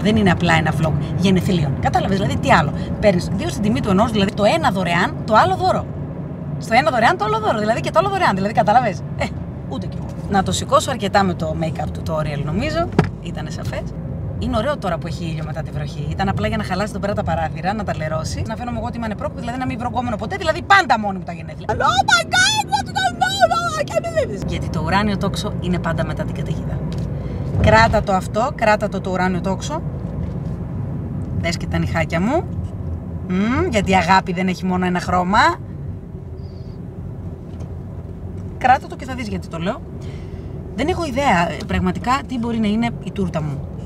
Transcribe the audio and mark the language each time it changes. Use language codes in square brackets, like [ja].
[el] Δεν είναι απλά ένα vlog γενεθλίων. Κατάλαβες, δηλαδή τι άλλο. Παίρνεις δύο στην τιμή του ενός, δηλαδή το ένα δωρεάν, το άλλο δώρο. Στο ένα δωρεάν, το άλλο δώρο. Δηλαδή και το άλλο δωρεάν, δηλαδή καταλαβες. Ούτε κι εγώ. να το σηκώσω αρκετά με το make-up tutorial, νομίζω. Ήτανε σαφές. Είναι ωραίο τώρα που έχει ήλιο μετά τη βροχή. Ήταν απλά για να χαλάσει τον πέρα τα παράθυρα, να τα λερώσει. Να φαίνομαι εγώ ότι είμαι ανεπρόκειτο, δηλαδή να μην βρωγόμενο ποτέ. Δηλαδή πάντα μόνη μου τα γενέθλια. [en] Oh my god, what the fuck, I can't believe this. [el] Γιατί το ουράνιο τόξο είναι πάντα μετά την καταιγίδα. Κράτα το αυτό, κράτα το ουράνιο τόξο. Δες και τα νυχάκια μου. Γιατί η αγάπη δεν έχει μόνο ένα χρώμα. Κράτα το και θα δεις γιατί το λέω. Δεν έχω ιδέα πραγματικά τι μπορεί να είναι η τούρτα μου.